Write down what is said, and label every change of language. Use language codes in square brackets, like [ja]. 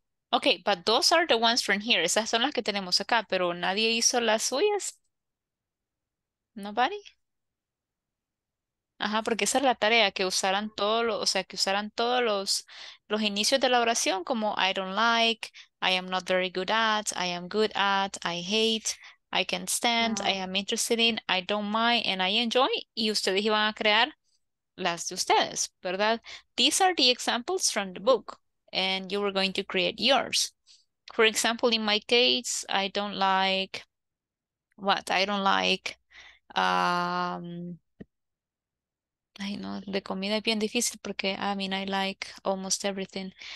[en] Okay, but those are the ones from here. [es] Esas son las que tenemos acá, pero nadie hizo las suyas. [en] Nobody. [es] Ajá, porque esa es la tarea, que usaran todo lo, o sea, que usaran todos los inicios de la oración, como [en] I don't like, I am not very good at, I am good at, I hate, I can't stand, I am interested in, I don't mind, and I enjoy. [es] Y ustedes iban a crear las de ustedes, ¿verdad? [en] These are the examples from the book, and you were going to create yours. For example, in my case, I don't like, what? I don't like, I know the comida is [es] bien difícil porque, [en] I mean, I like almost everything.